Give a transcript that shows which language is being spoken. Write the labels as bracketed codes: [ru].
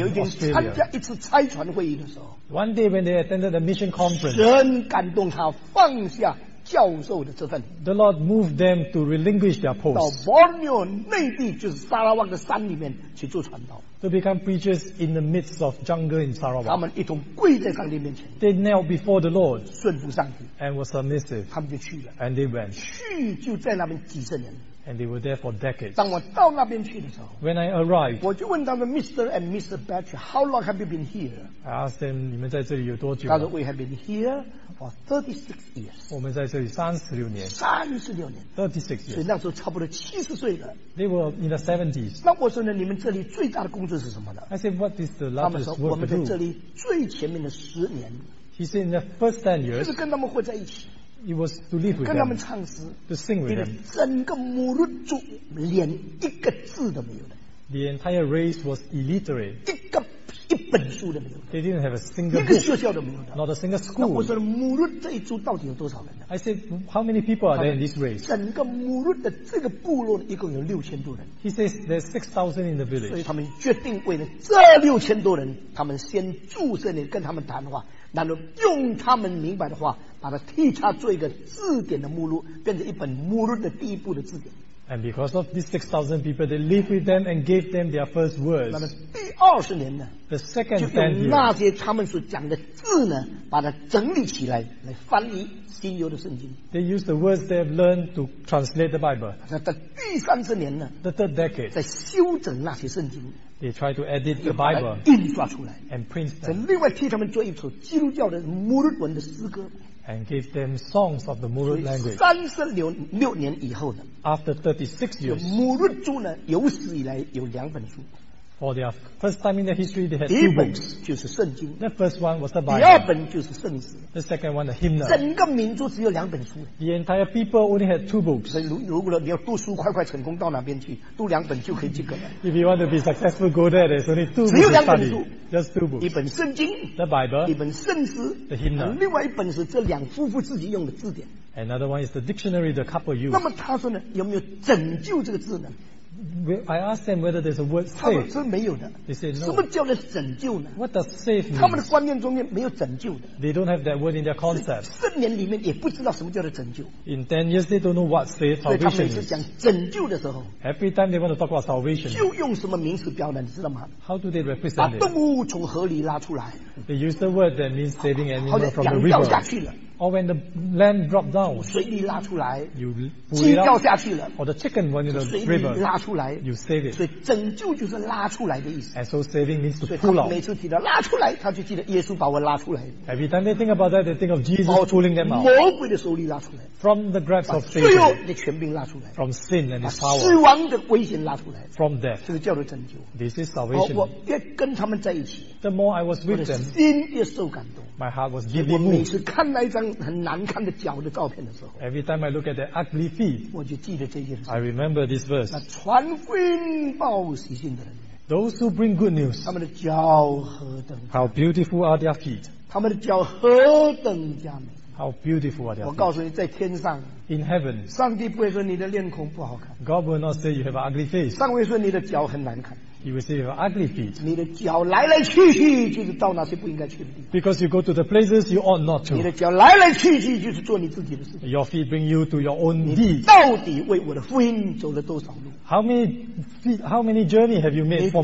[zh] 有一天参加一次差传会议的时候。 [en] One day when they attended a mission conference. [zh] 神感动他放下教授的职分。 [en] The Lord moved them to relinquish their posts. [zh] 到 Borneo 内地，就是沙拉旺的山里面去做传道。 [en] To become preachers in the midst of jungle in Sarawak. [zh] 他们一同跪在上帝面前。 [en] They knelt before the Lord. [zh] 顺服上帝。 [en] And were submissive. [zh] 他们就去了。 [en] And they went. [zh] 去就在那边几十年。 [en] And they were there for decades. [zh] 当我到那边去的时候。 [en] When I arrived. [zh] 我就问他们 Mr. and Mr. [en] Batchelor, how long have you been here? I asked them, [zh] 你们在这里有多久？他说 [en] we have been here for 36 years. [zh] 我们在这里36年。 36年。 [en] 36 years. [zh] 所以那时候差不多70岁了。 [en] They were in the 70s. [zh] 那我说呢，你们这里最大的工作是什么呢？ [en] I said, what is the largest work to do? [zh] 我们在这里最前面的十年。 [en] He said, in the first 10 years. [zh] 就是跟他们混在一起。 [en] It was to live with them, [zh] 跟他们唱诗 [en] to sing with them. [zh] 整个母乳族连一个字都没有的。 [en] The entire race was illiterate. [zh] 一本书都没有的。 [en] They didn't have a single book. [zh] 一个学校都没有的。 [en] Not a single school. [zh] 那我说母乳这一族到底有多少人呢？ [en] I said, how many people are there in this race? [zh] 整个母乳的这个部落一共有6000多人。 [en] He says there's 6,000 in the village. [zh] 所以他们决定为了这6000多人，他们先住这里跟他们谈话。然后用他们明白的话，把它替他做一个字典的目录，变成一本目录的第一步的字典。 [en] And because of these 6,000 people, they lived with them and gave them their first words. [zh] 那么第二十年呢？ [en] The second 10 years, [zh] 就用那些他们所讲的字呢，把它整理起来，来翻译新约的圣经。 [en] They used the words they have learned to translate the Bible. [zh] 那在第三十年呢？ [en] The third decade, [zh] 在修整那些圣经。 [en] They try to edit the Bible [zh] 印刷出来 [en] and print them. [zh] 在另外替他们做一首基督教的穆鲁文的诗歌。 [en] And give them songs of the Murut language. [zh] 36年以后呢, [en] After 36 years, [zh] Murut 族呢, 有史以来有两本书。 [en] For their first time in their history, they had two books. [zh] 第一本就是圣经。 [en] The first one was the Bible. [zh] 第二本就是圣诗。 [en] The second one, the hymn. [zh] 整个民族只有两本书。 [en] The entire people only had two books. [zh] 所以如果你要读书快快成功到哪边去，读两本就可以及格了。 [en] If you want to be successful, go there. There's only two books. [zh] 只有两本书。 [en] Just two books. [zh] 一本圣经。 [en] The Bible. [zh] 一本圣诗。 [en] The hymn. [zh] 另外一本是这两夫妇自己用的字典。 [en] Another one is the dictionary the couple used. [zh] 那么他说呢，有没有拯救这个字呢？ [en] I asked them whether there's a word save. [zh] 他们没有的。 [en] They said no. [zh] 什么叫做拯救呢？ [en] What does save mean? [zh] 他们的观念中间没有拯救的。 [en] They don't have that word in their concept. [zh] 十年里面也不知道什么叫做拯救。 [en] In 10 years, they don't know what save salvation is. [zh] 所以他们每次讲拯救的时候， [en] Every time they want to talk about salvation, [zh] 就用什么名词表达，你知道吗？ [en] How do they represent it? [zh] 把动物从河里拉出来。 [en] They use the word that means saving animals from the river. [zh] 好像羊掉下去了。 [en] Or when the lamb dropped down, [zh] 水里拉出来， [en] you [zh] 鸡掉下去了， [en] or the chicken went in the river, [zh] 水里拉出来， [en] you save it. [zh] 所以拯救就是拉出来的意思。 [en] And so saving means to pull out. [zh] 每次提到拉出来，他就记得耶稣把我拉出来。 [en] Every time they think about that, they think of Jesus pulling them out. [zh] 魔鬼的手里拉出来， [en] from the grasp of Satan. [zh] 把罪恶的权柄拉出来， [en] from sin and its power. [zh] 死亡的危险拉出来， [en] from death. [zh] 这个叫做拯救。 [en] This is salvation. [zh] 我越跟他们在一起， [en] the more I was with them, [zh] 我的心越受感动。 [en] My heart was deeply moved. [zh] 我每次看那一张很难看的脚的照片的时候， [en] Every time I look at the ugly feet, [zh] 我就记得这件事。 [en] I remember this verse. [zh] 那传福音报喜信的人， [en] Those who bring good news, [zh] 他们的脚何等， [en] How beautiful are their feet. [zh] 他们的脚何等佳美， [en] How beautiful are their feet. [zh] 我告诉你，在天上， [en] In heaven, [zh] 上帝不会说你的脸孔不好看， [en] God will not say you have an ugly face. [zh] 上帝会说你的脚很难看。 [en] You will see your ugly feet. [zh] 你的脚来来去去就是到那些不应该去的地方。 [en] Because you go to the places you ought not to. [zh] 你的脚来来去去就是做你自己的事。 [en] Your feet bring you to your own deed. [zh] 你到底为我的福音走了多少路？ [en] How many journey have you made for